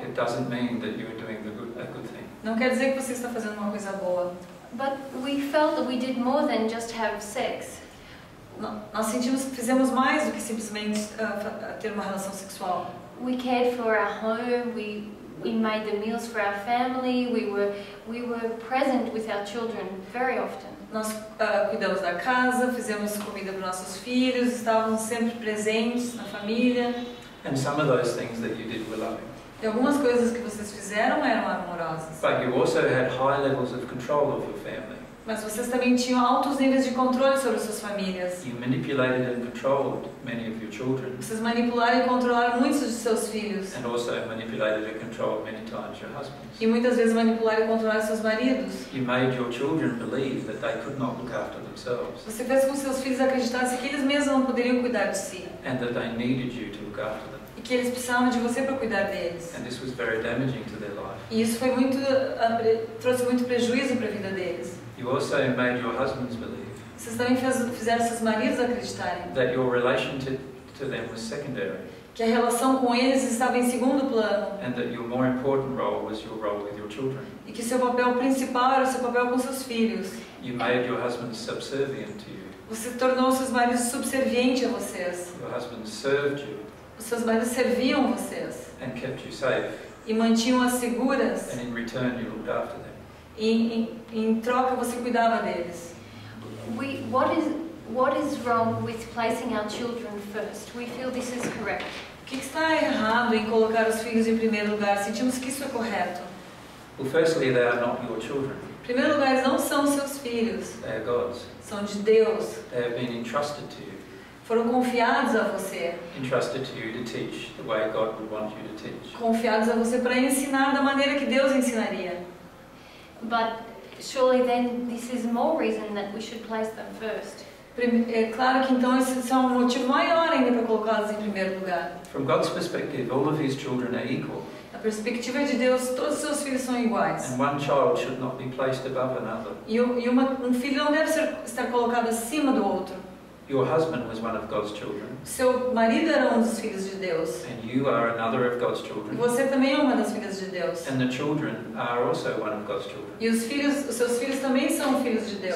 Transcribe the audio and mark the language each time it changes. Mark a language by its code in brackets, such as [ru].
[en] It doesn't mean that you are doing a good thing. [pt] Não quer dizer que você está fazendo uma coisa boa. [en] But we felt that we did more than just have sex. [pt] Nós sentimos que fizemos mais do que simplesmente ter uma relação sexual. [en] We cared for our home. We made the meals for our family. We were present with our children very often. [pt] Nós cuidamos da casa, fizemos comida para nossos filhos, estávamos sempre presentes na família. [en] And some of those things that you did were loving. [pt] E algumas coisas que vocês fizeram eram amorosas. [en] But you also had high levels of control of your family. [pt] Mas vocês também tinham altos níveis de controle sobre suas famílias. [en] You manipulated and controlled many of your children. [pt] Vocês manipularam e controlaram muitos de seus filhos. [en] And also manipulated and controlled many times your husbands. [pt] E muitas vezes manipularam e controlaram seus maridos. [en] You made your children believe that they could not look after themselves. [pt] Você fez com seus filhos acreditassem que eles mesmos não poderiam cuidar de si. [en] And that they needed you to look after them. [pt] E que eles precisavam de você para cuidar deles. [en] And this was very damaging to their life. [pt] E isso foi muito trouxe muito prejuízo para a vida deles. [en] You also made your husbands believe. [pt] Vocês também fizeram seus maridos acreditarem. [en] That your relation to them was secondary. [pt] Que a relação com eles estava em segundo plano. [en] And that your more important role was your role with your children. [pt] E que seu papel principal era seu papel com seus filhos. [en] You made your husbands subservient to you. [pt] Você tornou seus maridos subservientes a vocês. [en] Your husband served you. [pt] Os seus maridos serviam vocês. [en] And kept you safe. [pt] E mantinham-as seguras. [en] And in return you looked after them. [pt] E em troca você cuidava deles. [en] What is wrong with placing our children first? We feel this is correct. [pt] O que está errado em colocar os filhos em primeiro lugar? Sentimos que isso é correto. [en] Well, firstly, they are not your children. [pt] Em primeiro lugar, eles não são seus filhos. [en] They are God's. [pt] São de Deus. [en] They have been entrusted to you. [pt] Foram confiados a você. [en] Entrusted to you to teach the way God would want you to teach. [pt] Confiados a você para ensinar da maneira que Deus ensinaria. [en] But surely then this is more reason that we should place them first. [pt] É claro que então esse é um motivo maior ainda para colocá-los em primeiro lugar. [en] From God's perspective, all of His children are equal. [pt] Da perspectiva de Deus, todos os seus filhos são iguais. [en] And one child should not be placed above another. [pt] E um filho não deve estar colocado acima do outro. [en] Your husband was one of God's children. [pt] Seu marido era dos filhos de Deus. [en] And you are another of God's children. [pt] E você também é uma das filhas de Deus. [en] And the children are also one of God's children. [pt] E os seus filhos também são filhos de Deus.